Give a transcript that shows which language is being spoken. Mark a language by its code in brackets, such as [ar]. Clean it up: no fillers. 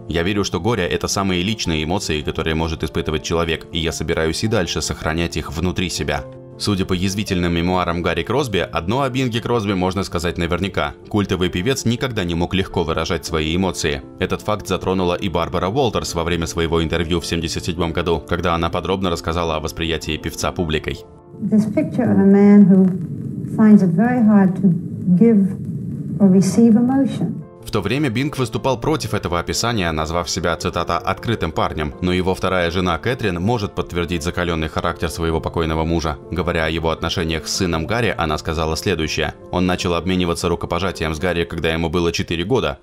[ru] Я верю, что горе – это самые личные эмоции, которые может испытывать человек, и я собираюсь и дальше сохранять их внутри себя». Судя по язвительным мемуарам Гарри Кросби, одно о Бинге Кросби можно сказать наверняка. Культовый певец никогда не мог легко выражать свои эмоции. Этот факт затронула и Барбара Уолтерс во время своего интервью в 1977 году, когда она подробно рассказала о восприятии певца публикой. [en] This picture of a man who finds it very hard to give or receive emotion. [ru] В то время Бинг выступал против этого описания, назвав себя, цитата, «открытым парнем», но его вторая жена Кэтрин может подтвердить закаленный характер своего покойного мужа. Говоря о его отношениях с сыном Гарри, она сказала следующее. «Он начал обмениваться рукопожатием с Гарри, когда ему было 4 года.